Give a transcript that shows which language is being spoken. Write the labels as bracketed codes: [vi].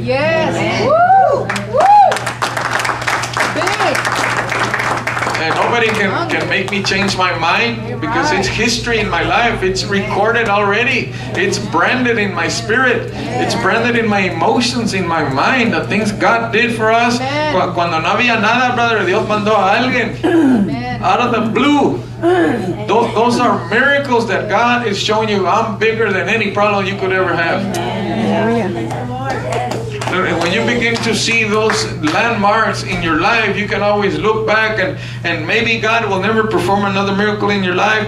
[en] Yes. Woo! Woo! Big. And nobody can make me change my mind. You're because right. It's history in my life. It's recorded already. It's branded in my spirit. Yes. It's branded in my emotions, in my mind. The things God did for us. Amen. [es] Cuando no había nada, [en] brother, [es] Dios mandó a alguien. [en] Out of the blue. Those are miracles that God is showing you. I'm bigger than any problem you could ever have. Amen. When you begin to see those landmarks in your life, you can always look back and maybe God will never perform another miracle in your life.